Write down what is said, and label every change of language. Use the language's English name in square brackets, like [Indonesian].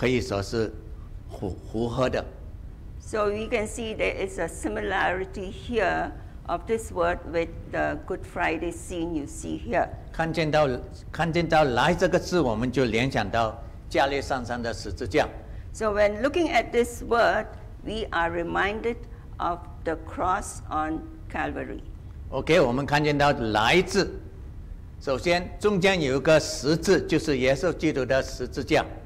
[Chinese] 看见这个来跟受难节的故事，完全可以说是符合的。So [English] we can see there is a similarity here of this word with the Good Friday scene you see here. [Chinese] 看见到来这个字，我们就联想到加勒山上的十字架。So [English] when looking at this word, we are reminded of the cross on Calvary. [Chinese] OK， 我们看见到来字。首先，中间有一个十字，就是耶稣基督的十字架。